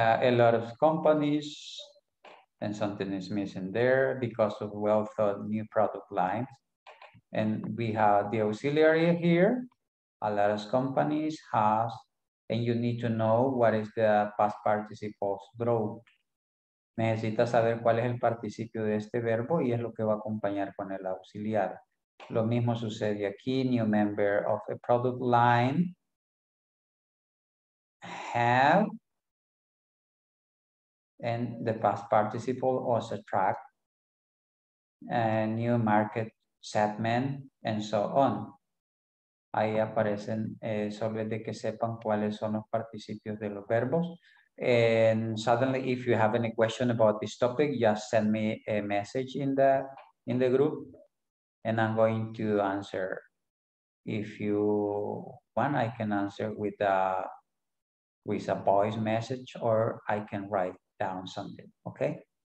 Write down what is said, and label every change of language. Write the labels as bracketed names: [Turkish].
[English] A lot of companies, and something is missing there because of well thought new product lines. And we have the auxiliary here. A lot of companies has, and you need to know what is the past participle verb. [Spanish] Necesitas saber cuál es el participio de este verbo y es lo que va a acompañar con el auxiliar. Lo mismo sucede aquí, [English] new member of a product line. Have. And the past participle was attract. New market segment and so on. [Spanish] Ahí aparecen, solo es de que sepan cuáles son los participios de los verbos. [English] And suddenly, if you have any question about this topic, just send me a message in the group. And I'm going to answer. If you want, I can answer with a voice message, or I can write down something, okay?